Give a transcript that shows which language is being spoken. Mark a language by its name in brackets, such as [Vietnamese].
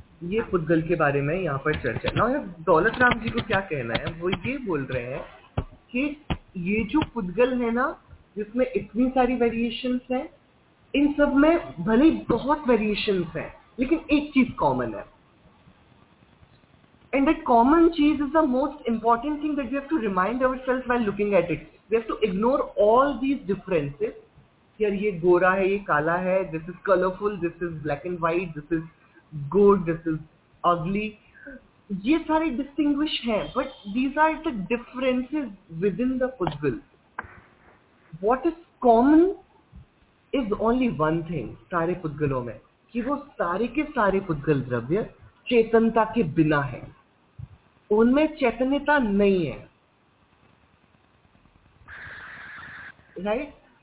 [Hindi] ये पुद्गल के बारे में यहाँ पर चर्चा। नाउ दौलत राम जी को क्या कहना है, वो ये बोल रहे हैं कि ये जो पुद्गल है ना जिसमें इतनी सारी वेरिएशंस हैं, इन सब में भले बहुत वेरिएशंस हैं लेकिन एक चीज कॉमन है, [English] And that common चीज is the most important thing that we have to remind our self while looking at it. We have to ignore all these differences. Here, [Hindi] ये गोरा है, ये काला है, [English] this is colorful, this is black and white, this is good, this is ugly. [Hindi] ये सारे [English] distinguish हैं, but these are the differences within the puzzle. What is common is only one thing, [Hindi] सारे पुद्गलों में, कि वो सारे के सारे पुद्गल द्रव्य चेतनता के बिना है, उनमें चैतन्यता नहीं है, राइट?